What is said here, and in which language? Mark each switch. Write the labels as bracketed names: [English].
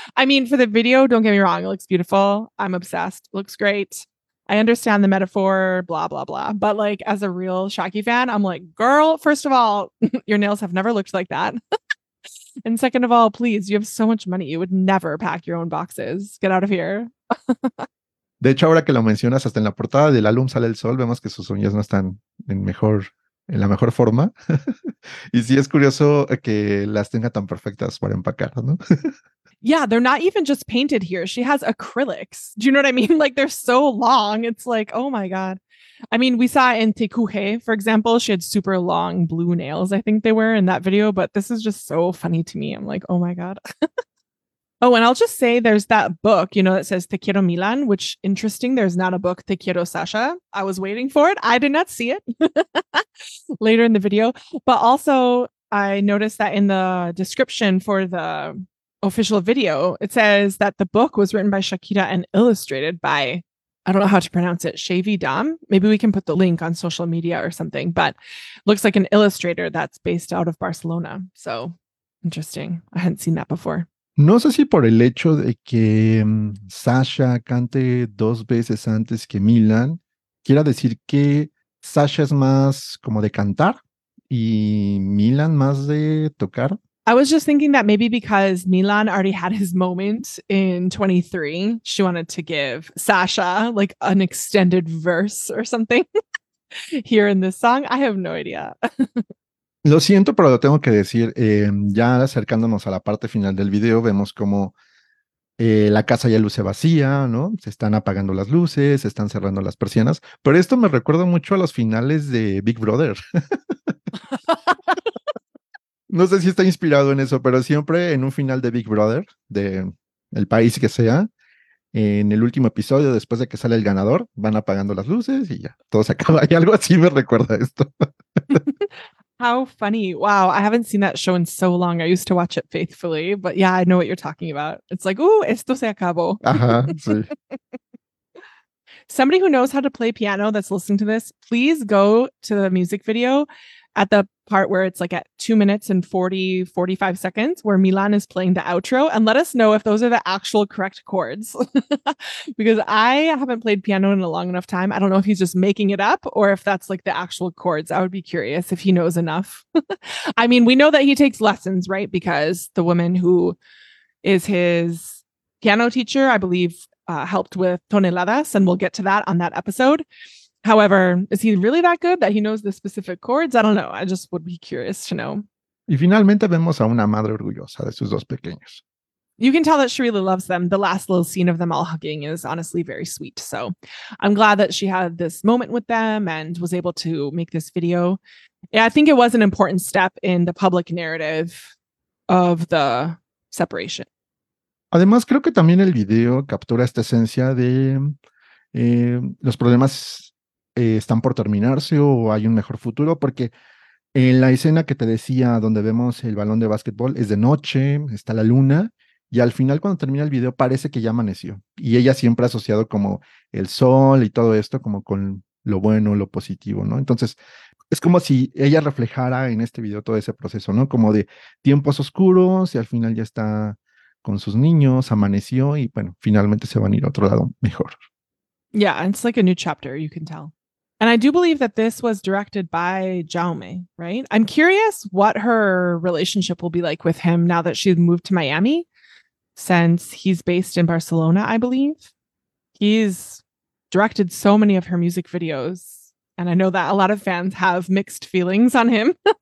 [English] I mean, for the video, don't get me wrong, it looks beautiful. I'm obsessed. It looks great. I understand the metaphor, blah, blah, blah. But like as a real Shaki fan, I'm like, girl, first of all, your nails have never looked like that. And second of all, please, you have so much money. You would never pack your own boxes. Get out of here. [Spanish] De hecho, ahora que lo mencionas, hasta en la portada del álbum Sale el Sol, vemos que sus uñas no están en la mejor forma. Y sí es curioso que las tenga tan perfectas para empacar, ¿no? [English] Yeah, they're not even just painted here. She has acrylics. Do you know what I mean? Like, they're so long. It's like, oh my God. I mean, we saw in Tecuje, for example, she had super long blue nails, I think they were in that video. But this is just so funny to me. I'm like, oh my God. Oh, and I'll just say there's that book, you know, that says Te Quiero Milan, which, interesting, there's not a book Te Quiero Sasha. I was waiting for it. I did not see it later in the video. But also, I noticed that in the description for the official video, it says that the book was written by Shakira and illustrated by, I don't know how to pronounce it, Shavy Dom. Maybe we can put the link on social media or something, but looks like an illustrator that's based out of Barcelona. So interesting. I hadn't seen that before. [Spanish] No sé si por el hecho de que Sasha cante dos veces antes que Milan, quiera decir que Sasha es más como de cantar y Milan más de tocar. [English] I was just thinking that maybe because Milan already had his moment in 23, she wanted to give Sasha like an extended verse or something here in this song. I have no idea. [Spanish] Lo siento, pero lo tengo que decir. Ya acercándonos a la parte final del video, vemos como la casa ya luce vacía, ¿no? Se están apagando las luces, se están cerrando las persianas. Pero esto me recuerda mucho a los finales de Big Brother. No sé si está inspirado en eso, pero siempre en un final de Big Brother, de el país que sea, en el último episodio, después de que sale el ganador, van apagando las luces y ya, todo se acaba. Y algo así me recuerda a esto. [English] How funny. Wow, I haven't seen that show in so long. I used to watch it faithfully, but yeah, I know what you're talking about. It's like, ooh, [Spanish] esto se acabó. Ajá, sí. [English] Somebody who knows how to play piano that's listening to this, please go to the music video at the part where it's like at 2:40-45 where Milan is playing the outro, and let us know if those are the actual correct chords. Because I haven't played piano in a long enough time. I don't know if he's just making it up or if that's like the actual chords. I would be curious if he knows enough. I mean, we know that he takes lessons, right? Because the woman who is his piano teacher, I believe, helped with Toneladas, and we'll get to that on that episode. However, is he really that good that he knows the specific chords? I don't know. I just would be curious to know. [Spanish] Y finalmente vemos a una madre orgullosa de sus dos pequeños. [English] You can tell that she really loves them. The last little scene of them all hugging is honestly very sweet. So I'm glad that she had this moment with them and was able to make this video. Yeah, I think it was an important step in the public narrative of the separation. [Spanish] Además, creo que también el video captura esta esencia de los problemas están por terminarse o hay un mejor futuro, porque en la escena que te decía donde vemos el balón de básquetbol es de noche, está la luna, y al final cuando termina el video parece que ya amaneció. Y ella siempre ha asociado como el sol y todo esto como con lo bueno, lo positivo, ¿no? Entonces es como si ella reflejara en este video todo ese proceso, ¿no? Como de tiempos oscuros y al final ya está con sus niños, amaneció y bueno, finalmente se van a ir a otro lado mejor. [English] Yeah, it's like a new chapter, you can tell. And I do believe that this was directed by Jaume, right? I'm curious what her relationship will be like with him now that she's moved to Miami, since he's based in Barcelona, I believe. He's directed so many of her music videos, and I know that a lot of fans have mixed feelings on him.